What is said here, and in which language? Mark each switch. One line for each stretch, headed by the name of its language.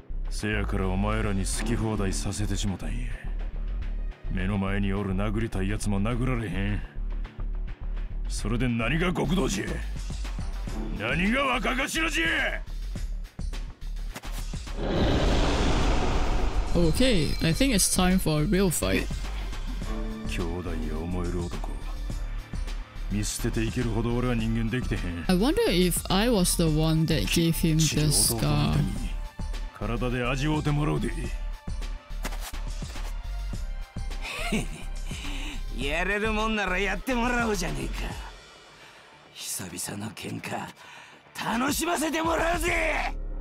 Japanese: せやからお前らに好き放題させてしもたんや。目の前におる殴りたいやつも殴られへん。それで何が極道じゃ、何が若頭じゃ。
English: OK, I think it's time for a real fight.
Japanese: 兄弟を思える男、見捨てていけるほど俺は人間できてへん。
English: I wonder if I was the one that gave him the scar.
Japanese: 体で味わってもらうで。やれるもんならやってもらおうじゃねえか。久々の喧嘩、楽しませてもらうぜ。